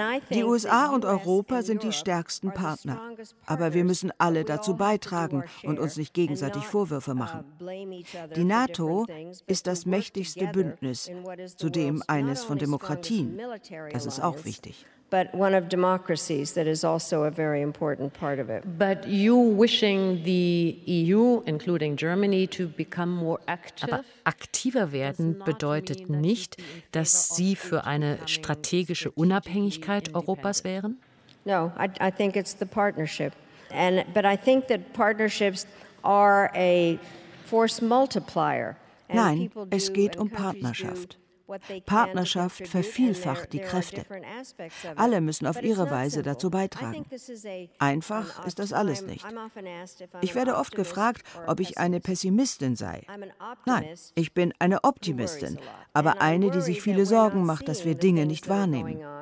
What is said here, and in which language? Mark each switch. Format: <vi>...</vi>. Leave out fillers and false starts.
<de>Die USA und Europa sind die stärksten Partner. Aber wir müssen alle dazu beitragen und uns nicht gegenseitig Vorwürfe machen. Die NATO ist das mächtigste Bündnis, zudem eines von Demokratien. Das ist auch wichtig.</de> <en>but one of democracies that is also a very important part of it. But you wishing the EU, including Germany, to become more active?</en> <de>Aber aktiver werden bedeutet nicht, dass Sie für eine strategische Unabhängigkeit Europas wären?</de> <en>No, I think it's the partnership. But I think that partnerships are a force multiplier.</en> <de>Nein, es geht um Partnerschaft. Partnerschaft vervielfacht die Kräfte. Alle müssen auf ihre Weise dazu beitragen. Einfach ist das alles nicht. Ich werde oft gefragt, ob ich eine Pessimistin sei. Nein, ich bin eine Optimistin, aber eine, die sich viele Sorgen macht, dass wir Dinge nicht wahrnehmen.</de>